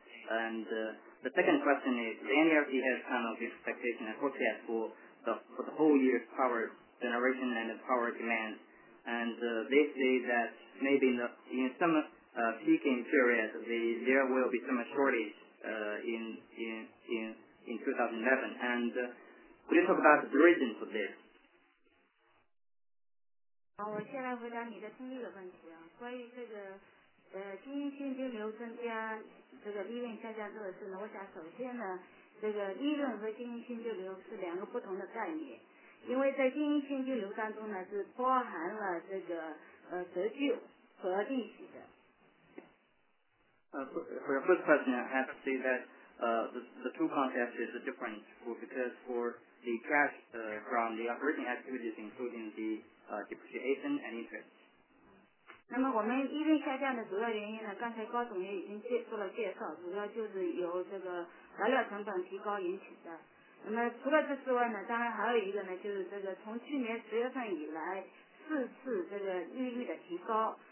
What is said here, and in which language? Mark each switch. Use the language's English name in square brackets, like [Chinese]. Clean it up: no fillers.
[English] And the second question is, the NERC has kind of expectation and forecast for the whole year's power generation and power demand. And they say that maybe in some peaking period, there will be some shortage in 2011. And could you talk about the reason for this? [Chinese] 好，我先来回答你的第一个问题啊，关于这个经营现金流增加，这个利润下降这个事呢，我想首先呢，这个利润和经营现金流是两个不同的概念，因为在经营现金流当中呢，是包含了这个折旧和利息的。 [English] For your first question, I have to say that the two concepts is a different, because for the cash from the operating activities, including the depreciation and interest. [Chinese] 那么我们利润下降的主要原因呢，刚才高总也已经做了介绍，主要就是由这个材料成本提高引起的。那么除了这之外呢，当然还有一个呢，就是这个从去年十月份以来四次这个利率的提高。